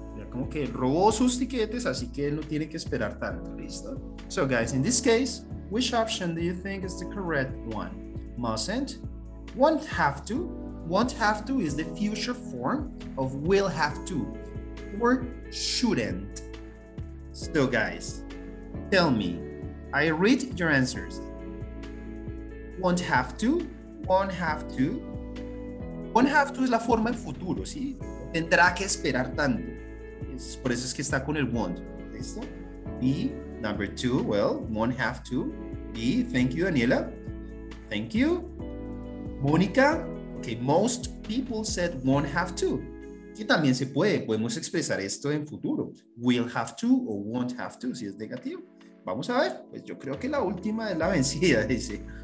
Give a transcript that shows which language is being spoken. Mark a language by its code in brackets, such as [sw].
[es] Como que robó sus tiquetes, así que él no tiene que esperar tanto, ¿listo? [en] So guys, in this case, which option do you think is the correct one? Mustn't, won't have to. Won't have to is the future form of will have to, or shouldn't. So guys, tell me, I read your answers. Won't have to, won't have to. [es] Won't have to es la forma en futuro, ¿sí? Tendrá que esperar tanto. Es por eso es que está con el won't. [en] ¿Listo? B, number two, well, won't have to. B, thank you, Daniela. Thank you. Mónica, okay, most people said won't have to. [es] Que también se puede, podemos expresar esto en futuro. Will have to o won't have to, si es negativo. Vamos a ver, pues yo creo que la última es la vencida, dice.